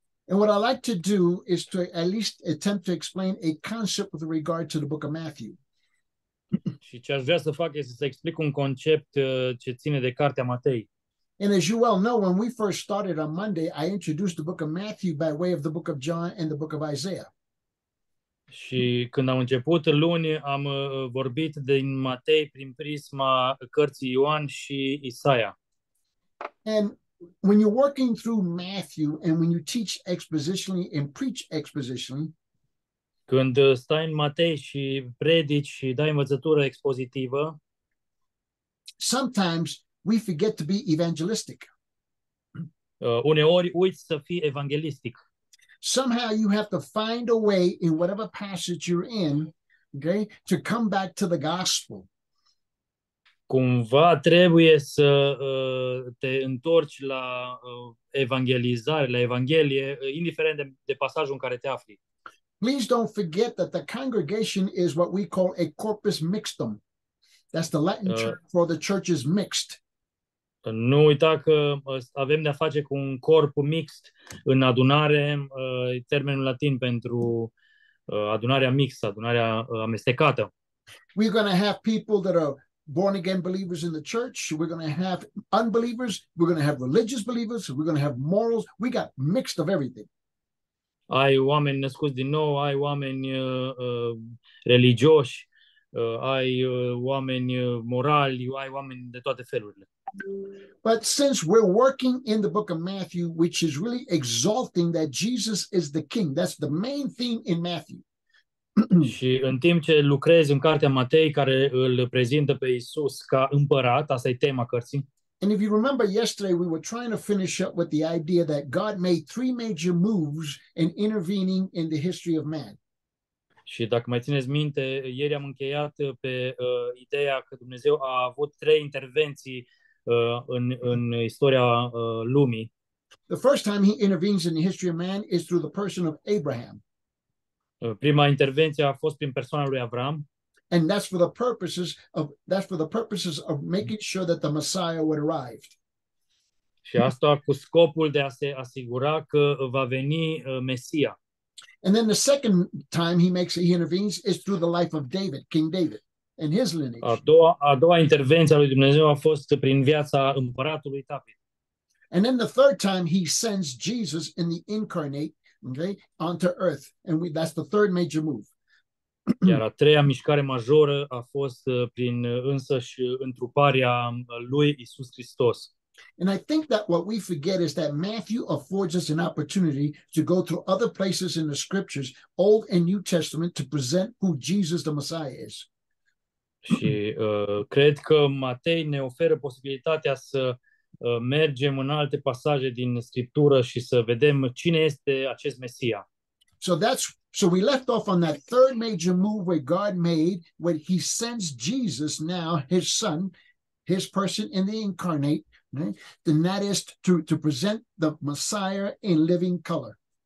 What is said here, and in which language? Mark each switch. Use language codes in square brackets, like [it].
[en] And what I like to do is to at least attempt to explain a concept with regard to the book of Matthew. [ro] Și ce aș vrea să fac este să explic un concept ce ține de cartea Matei. [en] And as you well know, when we first started on Monday, I introduced the book of Matthew by way of the book of John and the book of Isaiah. [ro] Și când am început luni, am vorbit din Matei prin prisma cărții Ioan și Isaia. [en] And when you're working through Matthew and when you teach expositionally and preach expositionally, [ro] Când stai în Matei și predici și dai învățătură expozitivă, [en] sometimes we forget to be evangelistic. [ro] uneori uiți să fii evanghelistic. [en] Somehow you have to find a way in whatever passage you're in, okay, to come back to the gospel. [ro] Cumva trebuie să te întorci la evangelizare, la evanghelie, indiferent de pasajul în care te afli. [en] Please don't forget that the congregation is what we call a corpus mixtum. That's the Latin term for the church is mixed. [ro] Nu uita că avem de-a face cu un corp mixt în adunare, termenul latin pentru adunarea mixtă, adunarea amestecată. [en] We're going to have people that are born again believers in the church. We're going to have unbelievers. We're going to have religious believers. We're going to have morals. We got mixed of everything. [ro] Ai oameni născuți din nou, ai oameni religioși, ai oameni morali, ai oameni de toate felurile. [en] But since we're working in the book of Matthew, which is really exalting that Jesus is the king, that's the main theme in Matthew. [ro] Și în timp ce lucrez în cartea Matei, care îl prezintă pe Isus ca împărat, asta e tema cărții. [en] And if you remember yesterday, we were trying to finish up with the idea that God made three major moves in intervening in the history of man. [ro] Și dacă mai țineți minte, ieri am încheiat pe ideea că Dumnezeu a avut trei intervenții în istoria lumii. [en] The first time he intervenes in the history of man is through the person of Abraham. [ro] Prima intervenție a fost prin persoana lui Avram. [en] And that's for the purposes of making sure that the Messiah would arrive. [ro] Și asta cu scopul de a se asigura că va veni Mesia. [en] And then the second time he intervenes is through the life of David, King David, and his [ro] A [en] lineage. [ro] doua, a doua intervenție a lui Dumnezeu a fost prin viața împăratului David. [en] And then the third time he sends Jesus in the incarnate, okay, onto earth. And that's the third major move. [ro] Iar a treia mișcare majoră a fost prin însăși întruparea lui Isus Hristos. [en] And I think that what we forget is that Matthew affords us an opportunity to go through other places in the scriptures, Old and New Testament, to present who Jesus the Messiah is. [ro] Și cred că Matei ne oferă posibilitatea să mergem în alte pasaje din Scriptură și să vedem cine este acest Mesia. [en] So we left off on that third major move where God made, when he sends Jesus now, his son, his person in the incarnate, right? And that is to present the Messiah in living color.